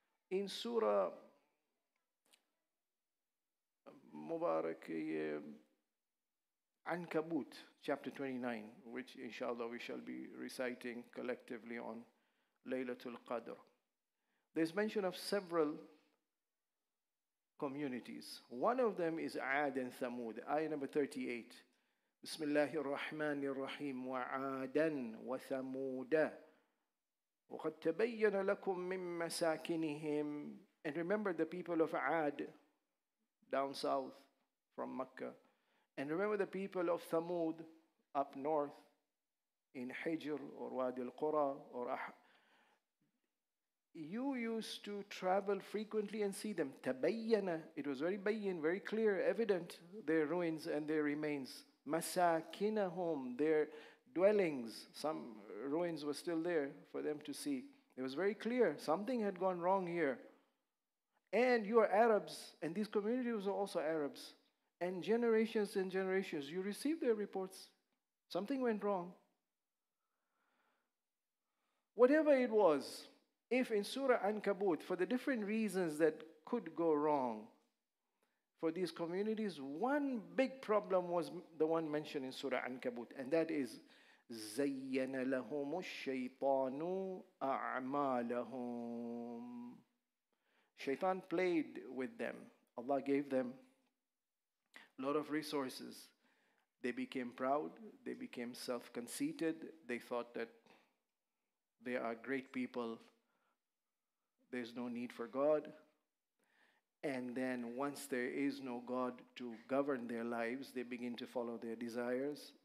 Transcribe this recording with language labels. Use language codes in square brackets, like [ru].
[en] In Surah Mubarak, Ankabut, chapter 29, which inshallah we shall be reciting collectively on Laylatul Qadr. There's mention of several communities. One of them is Ad and Thamud, ayah number 38. [ar] بسم الله الرحمن الرحيم وعادا وثمودا وقد تبين لكم من مساكنهم. [en] And remember the people of Ad, down south from Mecca. And remember the people of Thamud, up north in Hijr or Wadi al-Qura or You used to travel frequently and see them. [ar] تبينه. [en] It was very bayin, very clear, evident, their ruins and their remains. Masakinahum, their dwellings, some ruins were still there for them to see. It was very clear, something had gone wrong here. And you are Arabs, and these communities are also Arabs. And generations, you received their reports. Something went wrong. Whatever it was, if in Surah Ankabut, for the different reasons that could go wrong, for these communities, one big problem was the one mentioned in Surah Ankabut, and that is [ar] زين لهم الشيطان أعمالهم. [en] Shaitan played with them. Allah gave them a lot of resources. They became proud. They became self-conceited. They thought that they are great people. There's no need for God. And then once there is no God to govern their lives, they begin to follow their desires.